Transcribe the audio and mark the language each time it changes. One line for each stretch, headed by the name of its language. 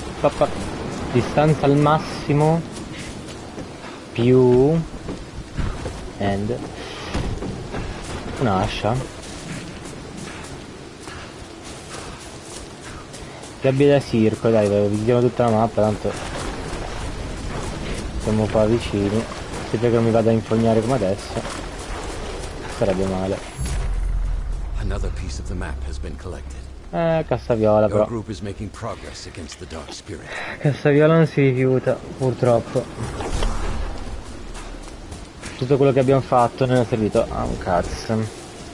Italian: Papà. Distanza al massimo. Più. And. Un'ascia. Gabbia da circo, dai, vediamo tutta la mappa, tanto siamo qua vicini. Se che non mi vado a infognare come adesso, sarebbe male.
English: Another piece of the map has been collected.
Italian: Cassaviola però.
English: Your group is making progress against the dark spirit.
Italian: Cassaviola non si rifiuta, purtroppo. Tutto quello che abbiamo fatto non è servito a un cazzo.